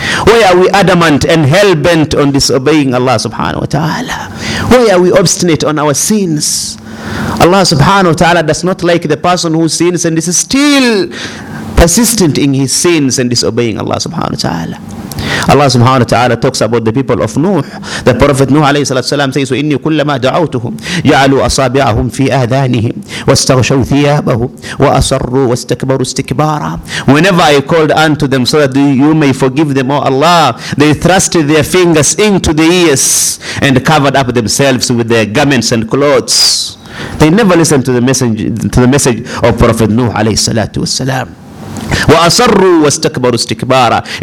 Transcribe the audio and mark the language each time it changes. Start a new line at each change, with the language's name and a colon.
English: Why are we adamant and hell-bent on disobeying Allah subhanahu wa ta'ala? Why are we obstinate on our sins? Allah subhanahu wa ta'ala does not like the person who sins and is still persistent in his sins and disobeying Allah subhanahu wa ta'ala. Allah subhanahu wa ta'ala talks about the people of Nuh. The Prophet
Arabic: Nuh alayhi salatu salam
English: says,
Arabic: إِنِّي كُلَّمَا دَعَوْتُهُمْ يَعَلُوا أَصَابِعَهُمْ فِي أَذَانِهِمْ وَاسْتَغْشَوْا ثِيَابَهُمْ وَأَصَرُّوا وَاسْتَكْبَرُوا اسْتِكْبَارًا.
English: Whenever I called unto them so that you may forgive them, O Allah, they thrusted their fingers into the ears and covered up themselves with their garments and clothes. They never listened to the message of Prophet Nuh alayhi salatu salam.
Arabic: وَأَصَرُّوا وَاسْتَكْبَرُوا اسْتِكْبَارًا.